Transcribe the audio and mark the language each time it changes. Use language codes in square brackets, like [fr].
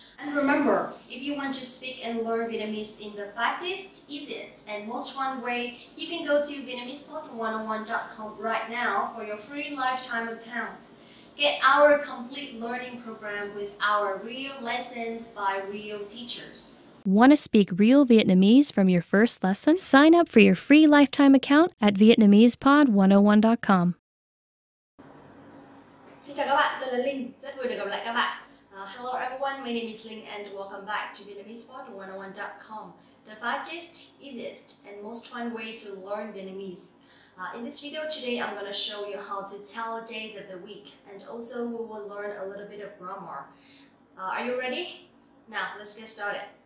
[en] And remember, if you want to speak and learn Vietnamese in the fastest, easiest, and most fun way, you can go to VietnamesePod101.com right now for your free lifetime account. Get our complete learning program with our real lessons by real teachers. Want to speak real Vietnamese from your first lesson? Sign up for your free lifetime account at VietnamesePod101.com. [vi] Xin chào các bạn, tôi là Linh. Rất vui được gặp lại các bạn. [en] Hello everyone, my name is Linh and welcome back to VietnamesePod101.com, the fastest, easiest and most fun way to learn Vietnamese. In this video today, I'm going to show you how to tell days of the week and also we will learn a little bit of grammar. Are you ready? Now, let's get started.